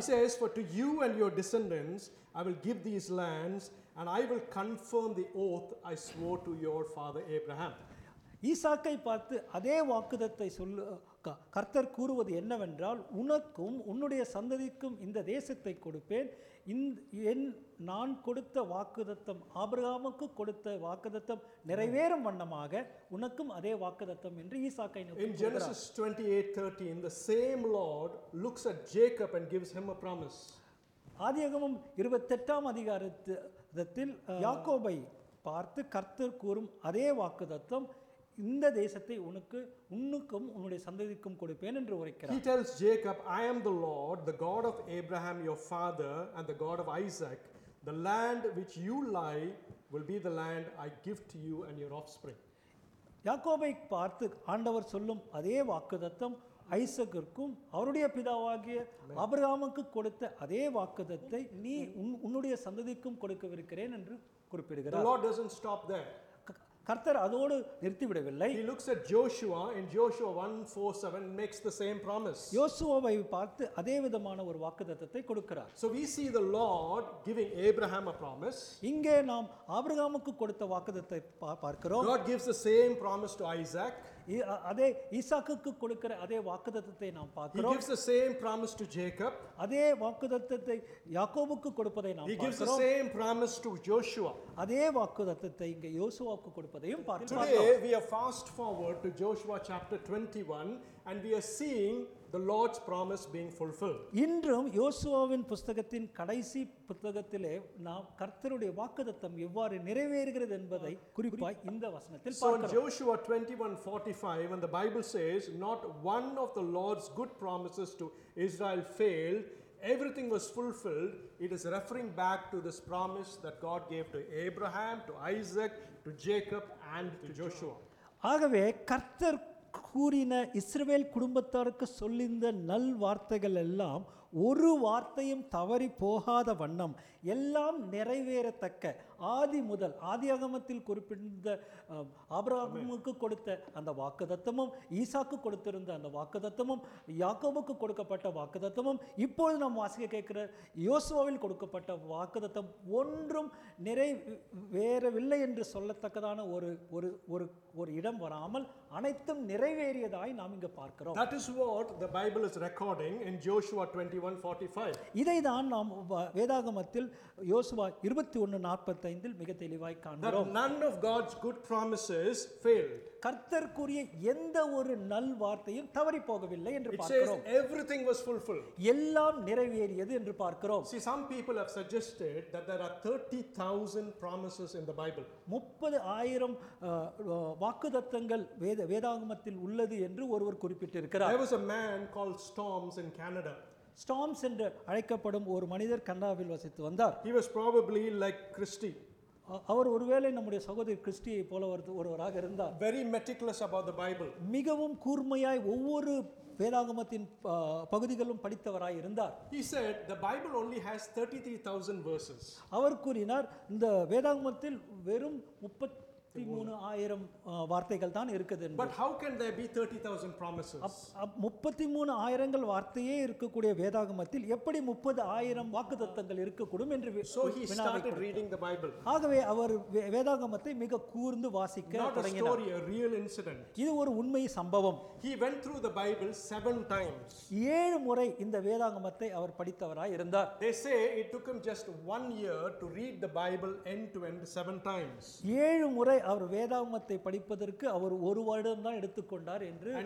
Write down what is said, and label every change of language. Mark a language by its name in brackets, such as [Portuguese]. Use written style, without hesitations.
[English] He says, for to you and your descendants I will give these lands and I will confirm the oath I swore to your father Abraham. [Tamil] ஈசாக்கை பார்த்து அதே வாக்குத்தத்தை சொல்லு கர்த்தர் கூறுவது என்னவென்றால், உனக்கும் உன்னுடைய சந்ததிக்கும் இந்த தேசத்தை கொடுப்பேன், நான் கொடுத்த வாக்குத்தத்தம் ஆபிரகாமுக்கு கொடுத்த வாக்குத்தத்தம் நிறைவேறும் வண்ணமாக உனக்கும் அதே வாக்குத்தத்தம் என்று ஈசாக்கை [English] In Genesis 28:13 the same Lord looks at Jacob and gives him a promise. [Tamil] ஆதியாகமம் 28 அதிகாரத்தில் யாக்கோபை பார்த்து கர்த்தர் கூறும் அதே வாக்குத்தத்தம் இந்த தேசத்தை உனக்கு உன்னுக்கும் உன்னுடைய சந்ததிக்கும் கொடுப்பேன் என்று உரைக்கிறார். [English] He tells Jacob, I am the Lord, the God of Abraham your father and the God of Isaac. The land which you lie will be the land I give to you and your offspring. [Tamil] யாக்கோபை பார்த்து ஆண்டவர் சொல்லும் அதே வாக்குத்தத்தம் ஐசக்கிற்கும் அவருடைய பிதாவாகிய ஆபிரகாமுக்கு கொடுத்த அதே வாக்குத்தத்தை நீ உன்னுடைய சந்ததிக்கும் கொடுக்கவிருக்கிறேன் என்று குறிப்பிடுகிறார். [English] The Lord doesn't stop there. [Tamil] கர்த்தர் அதோடு நிறுத்திவிடவில்லை. [English] He looks at Joshua in Joshua 1:4-7 makes the same promise. [Tamil] யோசுவாவை பார்த்து அதே விதமான ஒரு வாக்குத்தத்தை கொடுக்கிறார். [English] So we see the Lord giving Abraham a promise. [Tamil] இங்கே நாம் ஆபிரகாமுக்கு கொடுத்த வாக்குத்தத்தை பார்க்கிறோம். [English] God gives the same promise to Isaac. [Tamil] அதே ஈசாக்குக்கு கொடுக்கிற அதே வாக்குத்தத்தை நாம் பார்க்கிறோம். [English] He gives the same promise to Jacob. [Tamil] அதே வாக்குத்தத்தை யாக்கோபுக்கு கொடுப்பதை நாம் பார்க்கிறோம். [English] He gives the same promise to Joshua. [Tamil] அதே வாக்குத்தத்தை இங்கே யோசுவாவுக்கு கொடுப்பதையும் பார்க்கிறோம். [English] Today we are fast forward to Joshua chapter 21 and we are seeing the Lord's promise being fulfilled. [Tamil] இன்றும் யோசுவாவின் புத்தகத்தின் கடைசி புத்தகத்திலே நாம் கர்த்தருடைய வாக்குத்தத்தம் எவ்வாறு நிறைவேறுகிறது என்பதை குறிப்பாக இந்த வசனத்தில் பார்க்கிறோம். [English] So in Joshua 21:45 when the Bible says not one of the Lord's good promises to Israel failed, everything was fulfilled, it is referring back to this promise that God gave to Abraham, to Isaac, to Jacob and to Joshua. [Tamil] ஆகவே கர்த்தர் கூறின இஸ்ரவேல் குடும்பத்தாருக்கு சொல்லிந்த நல் வார்த்தைகள் எல்லாம் ஒரு வார்த்தையும் தவறி போகாத வண்ணம் எல்லாம் நிறைவேறத்தக்க ஆதி முதல் ஆதி அகமத்தில் குறிப்பிட்ட ஆபிரகாமுக்கு கொடுத்த அந்த வாக்குத்தத்தமும் ஈசாக்கு கொடுத்திருந்த அந்த வாக்குத்தத்தமும் யாக்கோபுக்கு கொடுக்கப்பட்ட வாக்குத்தத்தமும் இப்பொழுது நாம் வாசிக்க கேட்கிற யோசுவாவில் கொடுக்கப்பட்ட வாக்குத்தத்தம் ஒன்றும் நிறைவேறவில்லை என்று சொல்லத்தக்கதான ஒரு ஒரு ஒரு ஒரு இடம் வராமல் அனைத்தும் நிறைவேறியதாய் நாம் இங்கு பார்க்கிறோம். [English] That is what the Bible is recording in Joshua 21:45. [Tamil] இதைதான் நாம் வேதாகமத்தில் யோசுவா 21:45 மிக தெளிவாய் காண்கிறோம். [English] None of God's good promises failed. [Tamil] கர்த்தர் கூறிய எந்த ஒரு நல் வார்த்தையும் தவறி போகவில்லை என்று பார்க்கிறோம். [English] It says everything was fulfilled. [Tamil] எல்லாம் நிறைவேறியது என்று பார்க்கிறோம். [English] See, some people have suggested that there are 30,000 promises in the Bible. [Tamil] 30,000 வாக்குத்தத்தங்கள் வேதாகமத்தில் உள்ளது என்று ஒருவர் குறிப்பிட்டிருக்கிறார். [English] There was a man called Storms in Canada. [Tamil] Storms என்று அழைக்கப்படும் ஒரு மனிதர் கனடாவில் வசித்து வந்தார். [English] He was probably like Christie. [Tamil] அவர் ஒருவேளை நம்முடைய சகோதரி கிறிஸ்டியை போல ஒருவராக இருந்தார். [English] Very meticulous about the Bible. [Tamil] மிகவும் கூர்மையாய் ஒவ்வொரு வேதாகமத்தின் பகுதிகளும் படித்தவராய் இருந்தார். [English] He said the Bible only has 33,000 verses. [Tamil] அவர் கூறினார் இந்த வேதாகமத்தில் வெறும் 33,000 வார்த்தைகள் தான் இருக்குது என்று. [English] But how can there be 30,000 promises? [Tamil] 33,000 வார்த்தையே இருக்கக்கூடிய வேதாகமத்தில் எப்படி 30,000 வாக்குத்தத்தங்கள் இருக்கக்கூடும் என்று. [English] So he started reading the Bible. [Tamil] ஆகவே அவர் வேதாகமத்தை மிக கூர்ந்து வாசிக்க தொடங்கினார். [English] Not a story, a real incident. [Tamil] இது ஒரு உண்மை சம்பவம். [English] He went through the Bible 7 times. [Tamil] 7 முறை இந்த வேதாகமத்தை அவர் படித்தவராய் இருந்தார். [English] They say it took him just 1 year to read the Bible end to end 7 times. [Tamil] 7 முறை அவர் வேதாகமத்தை படிப்பதற்கு அவர் ஒரு வருடம் தான் எடுத்துக்கொண்டார் என்று